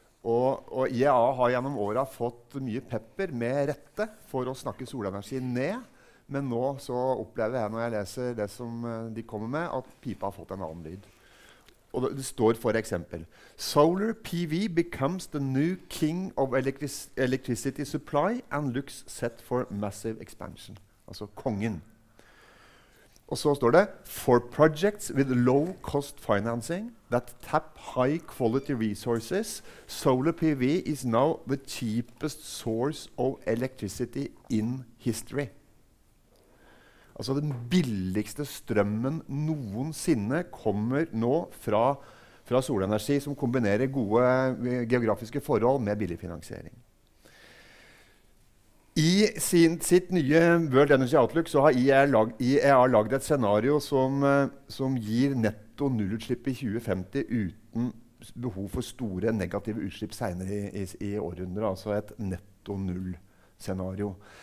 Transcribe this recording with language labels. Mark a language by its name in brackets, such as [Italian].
[Norwegian] Og IEA har gjennom året fått mye pepper med rette for å snakke solenergi ned, men nå så opplever jeg når jeg leser det som de kommer med, at pipa har fått en annen lyd. Og det står for eksempel: [English] solar PV becomes the new king of electricity supply and looks set for massive expansion. [Norwegian] Altså kongen. Og så står det: [English] for projects with low cost financing that tap high quality resources, solar PV is now the cheapest source of electricity in history. [Norwegian] Altså den billigste strømmen noensinne kommer nå fra, solenergi, som kombinerer gode geografiske forhold med billig finansiering. I sitt nye World Energy Outlook så har IEA laget et scenario som, gir netto nullutslipp i 2050 uten behov for store negative utslipp senere i århundre, altså et netto null scenario.